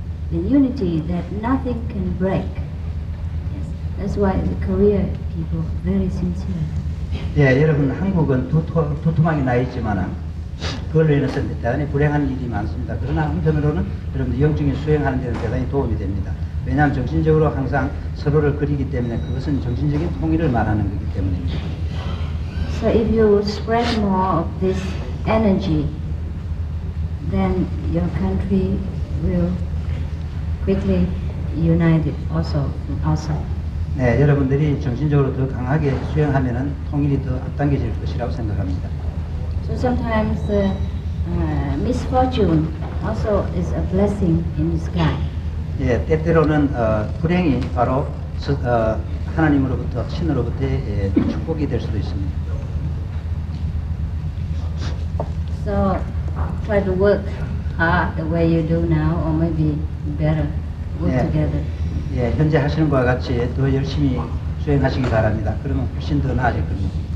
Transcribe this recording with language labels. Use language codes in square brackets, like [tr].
[en] The unity that nothing can break. Yes. That's why the Korean people are very sincere. [ko] 예, 여러분 한국은 두툼하게 나 있지만 그걸로 인해서 대단히 불행한 일이 많습니다. 그러나 한편으로는 여러분들 영적인 수행하는 데는 대단히 도움이 됩니다. 왜냐하면 정신적으로 항상 서로를 그리기 때문에 그것은 정신적인 통일을 말하는 것이기 때문입니다. [en] So if you spread more of this energy, then your country will quickly united also. [ko] 네, 여러분들이 정신적으로 더 강하게 수행하면은 통일이 더 앞당겨질 것이라고 생각합니다. [en] So sometimes the misfortune also is a blessing in disguise. [ko] 예, 때때로는 불행이 바로 하나님으로부터 신으로부터 예, 축복이 될 수도 있습니다. [en] So try to work hard the way you do now, or maybe better. Work together. [ko] 예, 현재 하시는 것과 같이 더 열심히 수행하시기 바랍니다. 그러면 훨씬 더 나아질 겁니다.